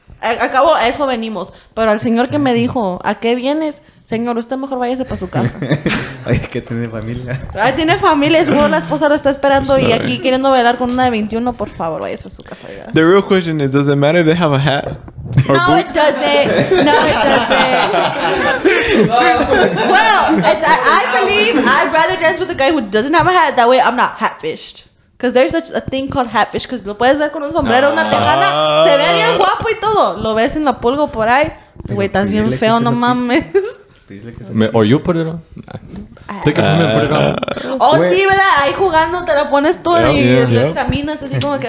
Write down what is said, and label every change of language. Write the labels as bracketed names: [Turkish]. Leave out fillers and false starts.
[Spanish] Acabo eso venimos, pero al señor que me dijo, ¿a qué vienes? Señor, usted mejor váyase para su casa. Ay, que tiene familia. Ay, tiene familia, seguro la esposa lo está esperando y aquí queriendo bailar con una de 21, por favor, váyase a su casa ya. [English] The real question is, does it matter if they have a hat? No, boots? It doesn't. No, it doesn't. Well, I believe I'd rather dance with a guy who doesn't have a hat, that way I'm not hat-fished. Because there's such a thing called hatfish. Because [Spanish] lo puedes ver con un sombrero, una tejana. Se ve bien guapo y todo. Lo ves en la pulga por ahí. Güey, estás bien feo, no mames. [English] Or you put it on. Take it from me and put it on. [Spanish] Oh, sí, ¿verdad? Ahí jugando te la pones tú y lo examinas así como que...